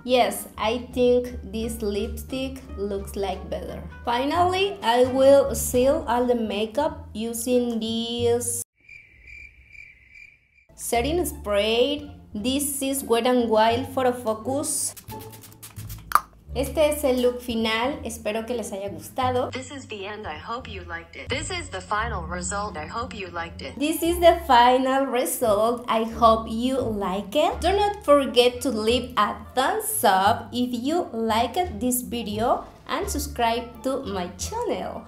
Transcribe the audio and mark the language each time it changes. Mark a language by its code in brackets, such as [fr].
[en] Yes, I think this lipstick looks like better. Finally, I will seal all the makeup using this setting spray. This is Wet n Wild Photofocus. [es] Este es el look final, espero que les haya gustado. [en] This is the end, I hope you liked it. This is the final result, I hope you liked it. This is the final result, I hope you like it. Do not forget to leave a thumbs up if you liked this video and subscribe to my channel.